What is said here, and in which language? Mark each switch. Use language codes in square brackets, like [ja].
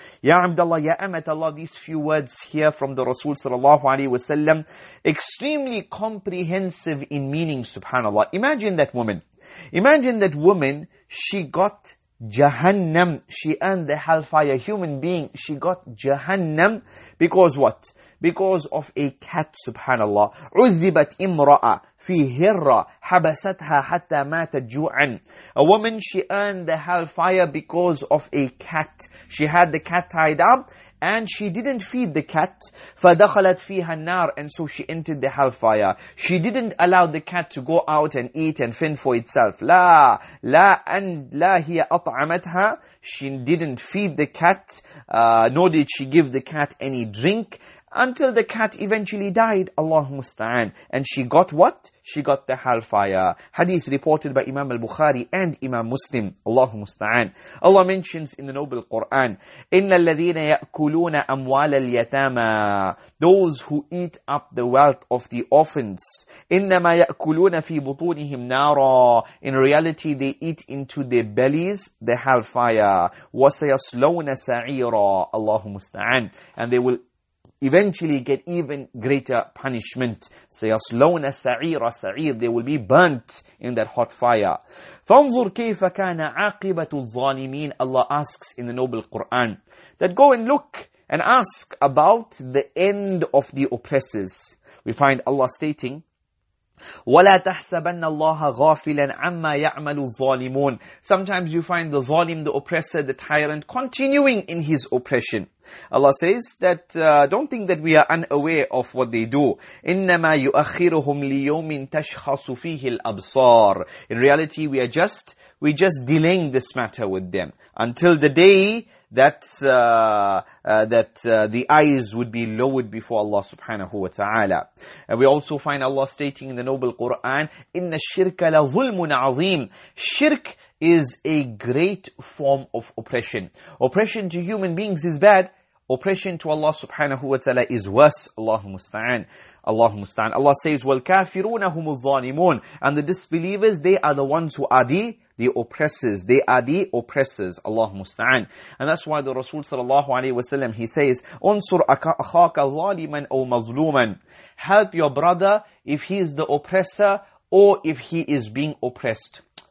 [en] Ya Abdullah, ya Amat Allah, these few words here from the Rasul sallallahu alayhi wa sallam, extremely comprehensive in meaning, subhanallah. Imagine that woman, she got Jahannam, she earned the hellfire. Human being, she got Jahannam because what? Because of a cat, subhanallah. [ar] عذبت امرأة في هرة حبستها حتى ماتت جوعا. [en] A woman, she earned the hellfire because of a cat. She had the cat tied up and she didn't feed the cat. [ar] فدخلت فيها النار, [en] and so she entered the hellfire. She didn't allow the cat to go out and eat and fend for itself. [ar] لا لا and لا هي أطعمتها. [en] She didn't feed the cat, nor did she give the cat any drink. until the cat eventually died, Allahu musta'an. And she got what? She got the hellfire. Hadith reported by Imam al-Bukhari and Imam Muslim, Allahu musta'an. Allah mentions in the Noble Quran, [ar] إِنَّ الَّذِينَ يَأْكُلُونَ أَمْوَالَ الْيَتَامَى. [en] Those who eat up the wealth of the orphans. [ar] إِنَّمَا يَأْكُلُونَ فِي بُطُونِهِمْ نَارًا. [en] In reality, they eat into their bellies the hellfire. [ar] وَسَيَصْلَوْنَ سَعِيرًا. Allahu musta'an. [en] And they will eventually get even greater punishment. [ar] سَيَصْلَوْنَ سَعِيرًا سَعِيرًا. [en] They will be burnt in that hot fire. [ar] فَانْظُرْ كَيْفَ كَانَ عَاقِبَةُ الظَّالِمِينَ. [en] Allah asks in the Noble Quran that go and look and ask about the end of the oppressors. We find Allah stating, [ar] وَلَا تَحْسَبَنَّ اللَّهَ غَافِلًا عَمَّا يَعْمَلُ الظَّالِمُونَ. [en] Sometimes you find the zalim, the oppressor, the tyrant, continuing in his oppression. Allah says that, don't think that we are unaware of what they do. [ar] إِنَّمَا يُؤَخِّرُهُمْ لِيَوْمٍ تَشْخَصُ فِيهِ الْأَبْصَارِ. [en] In reality, we're just delaying this matter with them until the day that the eyes would be lowered before Allah subhanahu wa ta'ala. And we also find Allah stating in the Noble Quran, [ar] إِنَّ الشِّرْكَ لَظُلْمٌ عَظِيمٌ. [en] Shirk is a great form of oppression. Oppression to human beings is bad. Oppression to Allah subhanahu wa ta'ala is worse. [ar] Allahumusta'an. [en] Allah says, [ar] وَالْكَافِرُونَ هُمُ الظَّالِمُونَ. [en] And the disbelievers, they are the ones who are the oppressors. Allah musta'an. And that's why the Rasul sallallahu alayhi wa sallam, he says, [ar] Unsur akhaka zaliman aw mazluman. [en] Help your brother if he is the oppressor or if he is being oppressed.